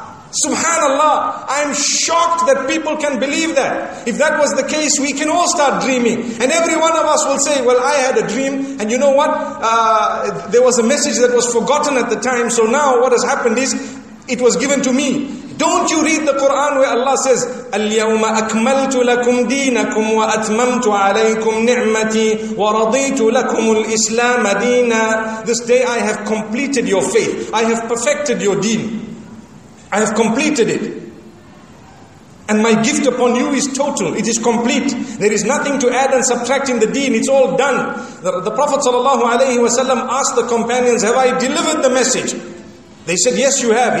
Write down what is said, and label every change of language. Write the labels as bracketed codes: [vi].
[en] Subhanallah, I'm shocked that people can believe that. If that was the case, we can all start dreaming. And every one of us will say, well, I had a dream, and you know what? There was a message that was forgotten at the time, so now what has happened is, it was given to me. Don't you read the Quran where Allah says, [ar] الْيَوْمَ أَكْمَلْتُ لَكُمْ دِينَكُمْ وَأَتْمَمْتُ عَلَيْكُمْ نِعْمَتِي وَرَضِيتُ لَكُمُ الْإِسْلَامَ دِينًا. [en] This day I have completed your faith. I have perfected your deen. I have completed it. And my gift upon you is total. It is complete. There is nothing to add and subtract in the deen. It's all done. The Prophet sallallahu alayhi wasallam asked the companions, have I delivered the message? They said, yes, you have.